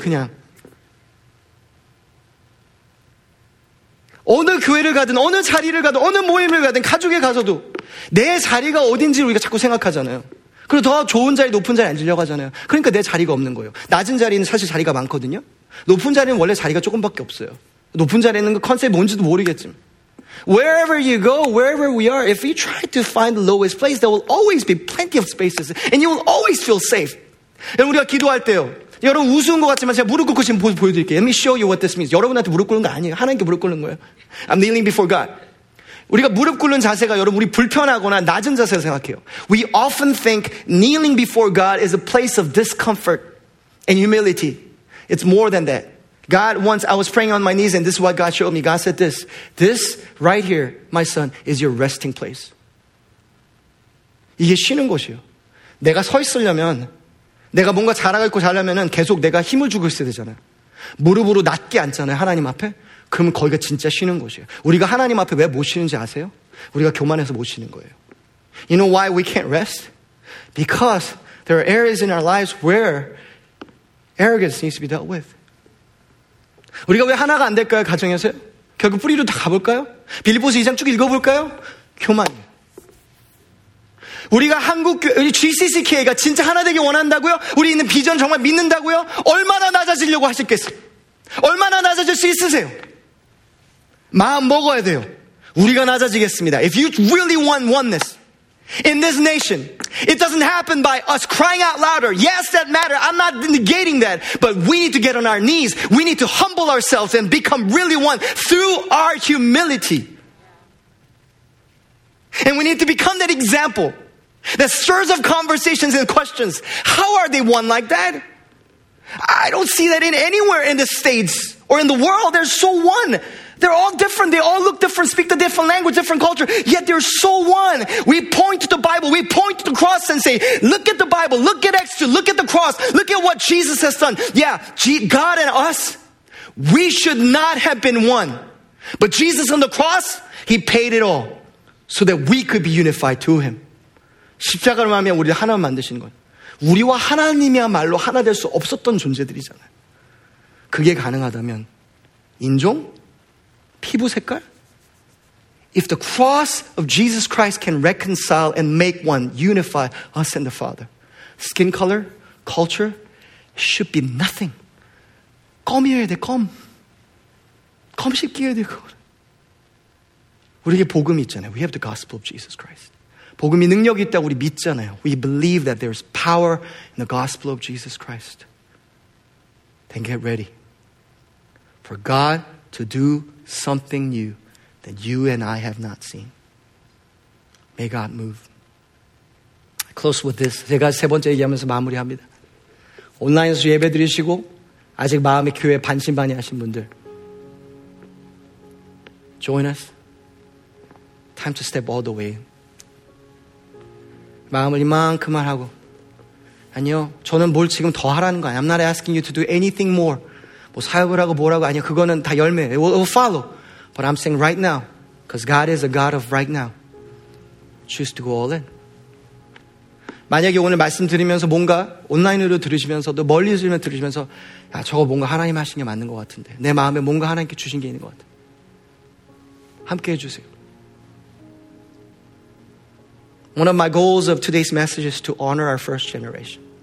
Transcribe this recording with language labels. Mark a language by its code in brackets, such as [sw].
[ko] 그냥 어느 교회를 가든 어느 자리를 가든 어느 모임을 가든 가족에 가서도 내 자리가 어딘지를 우리가 자꾸 생각하잖아요. 그리고 더 좋은 자리, 높은 자리 앉으려고 하잖아요. 그러니까 내 자리가 없는 거예요. 낮은 자리는 사실 자리가 많거든요. 높은 자리는 원래 자리가 조금밖에 없어요. 높은 자리에 있는 거 컨셉이 뭔지도 모르겠지만. [en] Wherever you go, wherever we are, if you try to find the lowest place, there will always be plenty of spaces, and you will always feel safe. [ko] 여러분, 우리가 기도할 때요. 여러분, 우스운 것 같지만 제가 무릎 꿇고 지금 보여드릴게요. [en] Let me show you what this means. [ko] 여러분한테 무릎 꿇는 거 아니에요. 하나님께 무릎 꿇는 거예요. [en] I'm kneeling before God. [ko] 우리가 무릎 꿇는 자세가 여러분 우리 불편하거나 낮은 자세로 생각해요. [en] We often think kneeling before God is a place of discomfort and humility. It's more than that. God, once I was praying on my knees and this is what God showed me. God said this, this right here, my son, is your resting place. [ko] 이게 쉬는 곳이에요. 내가 서 있으려면, 내가 뭔가 자라가 있고 자려면은 계속 내가 힘을 주고 있어야 되잖아요. 무릎으로 낮게 앉잖아요, 하나님 앞에. 그러면 거기가 진짜 쉬는 곳이에요. 우리가 하나님 앞에 왜 못 쉬는지 아세요? 우리가 교만해서 못 쉬는 거예요. [en] You know why we can't rest? Because there are areas in our lives where arrogance needs to be dealt with. [ko] 우리가 왜 하나가 안 될까요, 가정에서? 결국 뿌리로 다 가볼까요? 빌립보서 2장 쭉 읽어볼까요? 교만이에요. 우리가 한국교회, 우리 GCCK가 진짜 하나 되길 원한다고요? 우리 있는 비전 정말 믿는다고요? 얼마나 낮아지려고 하시겠어요? 얼마나 낮아질 수 있으세요? 마음 먹어야 돼요. 우리가 낮아지겠습니다. [en] If you really want oneness in this nation, it doesn't happen by us crying out louder. Yes, that matters. I'm not negating that. But we need to get on our knees. We need to humble ourselves and become really one through our humility. And we need to become that example that stirs up conversations and questions. How are they one like that? I don't see that in anywhere in the States or in the world. They're so one. They're all different. They all look different, speak a different language, different culture. Yet they're so one. We point to the Bible. We point to the cross and say, look at the Bible. Look at Exodus. Look at the cross. Look at what Jesus has done. Yeah, God and us, we should not have been one. But Jesus on the cross, He paid it all so that we could be unified to him. [ko] 십자가로 말미암아 우리를 하나 만드시는 거예요. 우리와 하나님이야말로 하나 될 수 없었던 존재들이잖아요. 그게 가능하다면 인종? 피부 색깔? [en] If the cross of Jesus Christ can reconcile and make one, unify us and the Father, skin color, culture should be nothing. [ko] 껌이어야 돼, 껌. 껌 씹기어야 돼, 그걸. 우리에게 복음이 있잖아요. [en] We have the gospel of Jesus Christ. [ko] 복음이 능력이 있다고 우리 믿잖아요. [en] We believe that there is power in the gospel of Jesus Christ. Then get ready for God to do something new that you and I have not seen. May God move. I close with this. [ko] 제가 세 번째 얘기하면서 마무리합니다. 온라인에서 예배 드리시고 아직 마음의 교회 반신반의 하신 분들 [en] join us. Time to step all the way. [ko] 마음을 이만큼만 하고 아니요 저는 뭘 지금 더 하라는 거 아니에요. [en] I'm not asking you to do anything more. [ko] 뭐 사역을 하고 뭐라고 아니요 그거는 다 열매. [en] It will follow. But I'm saying right now because God is a God of right now. Choose to go all in. [ko] 만약에 오늘 말씀드리면서 뭔가 온라인으로 들으시면서도 멀리서 들으시면서 야, 저거 뭔가 하나님 하신 게 맞는 것 같은데 내 마음에 뭔가 하나님께 주신 게 있는 것 같아 함께 해주세요. [en] One of my goals of today's message is to honor our first generation.